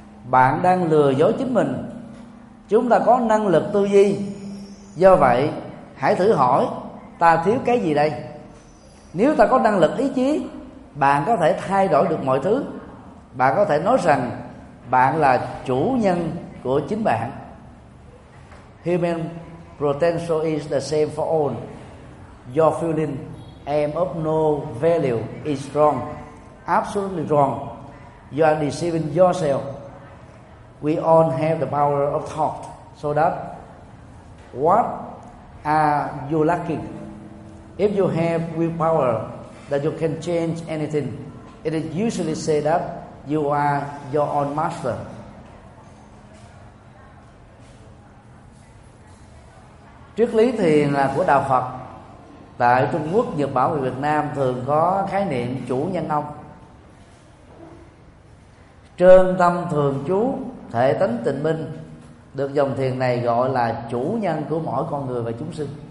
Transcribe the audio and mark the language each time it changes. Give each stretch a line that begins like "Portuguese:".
Vietnamese: Bạn đang lừa dối chính mình. Chúng ta có năng lực tư duy, do vậy hãy thử hỏi ta thiếu cái gì đây. Nếu ta có năng lực ý chí, bạn có thể thay đổi được mọi thứ. Bạn có thể nói rằng bạn là chủ nhân của chính bạn.
English: Human potential is the same for all. Your feeling am of no value is wrong, absolutely wrong. You are deceiving yourself. We all have the power of thought, so that what are you lacking? If you have willpower that you can change anything, it is usually said that you are your own master.
Vietnamese: Triết lý thiền là của Đạo Phật. Tại Trung Quốc, Nhật Bản và Việt Nam thường có khái niệm chủ nhân ông. Trơn tâm thường chú, thể tánh tịnh minh, được dòng thiền này gọi là chủ nhân của mỗi con người và chúng sinh.